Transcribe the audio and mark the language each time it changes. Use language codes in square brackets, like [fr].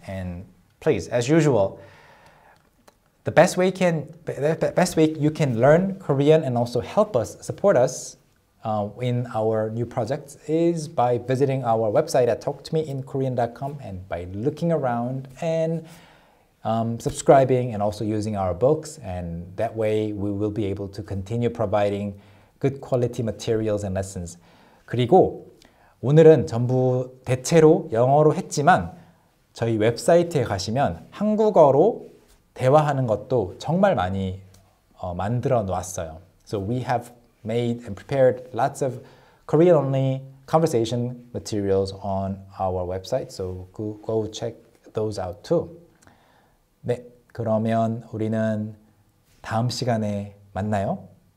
[en] And please, as usual, the best way you can learn Korean and also help us, support us in our new projects is by visiting our website at talktomeinkorean.com and by looking around and subscribing and also using our books. And that way we will be able to continue providing good quality materials and lessons. [ko] 그리고 오늘은 전부 대체로 영어로 했지만 저희 웹사이트에 가시면 한국어로 대화하는 것도 정말 많이 만들어 놨어요. [en] So we have made and prepared lots of Korean-only conversation materials on our website. So go check those out too. [ko] 네, 그러면 우리는 다음 시간에 만나요.